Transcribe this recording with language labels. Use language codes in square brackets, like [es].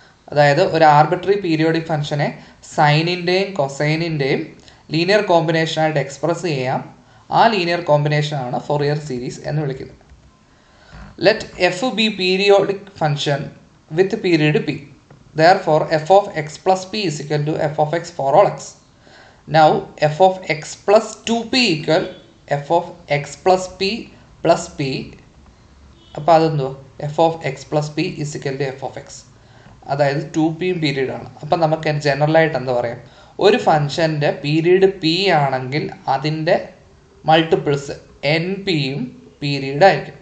[ml] അതായത് ഒരു arbitrary periodic ഫംഗ്ഷനെ സൈനിൻ്റെയും കൊസൈനിൻ്റെയും ലീനിയർ കോമ്പിനേഷനായിട്ട് എക്സ്പ്രസ് ചെയ്യാം, ആ ലീനിയർ കോമ്പിനേഷനാണ് ഫോറിയർ സീരീസ് എന്ന് വിളിക്കുന്നത്. [en] Let f be periodic function with period p. Therefore, f of x plus p is equal to f of x for all x. Now, f of x plus 2p equal f of x plus p plus p. [ml] അപ്പോൾ അതെന്തോ, [en] f of x plus p is equal to f of x. [ml] അതായത് 2p യും period ആണ്. അപ്പം നമുക്ക് ജനറലായിട്ട് എന്താ പറയാം, ഒരു ഫംഗ്ഷൻ്റെ പീരീഡ് p ആണെങ്കിൽ അതിൻ്റെ മൾട്ടിപ്പിൾസ് എൻ പിയും പീരീഡായിരിക്കും.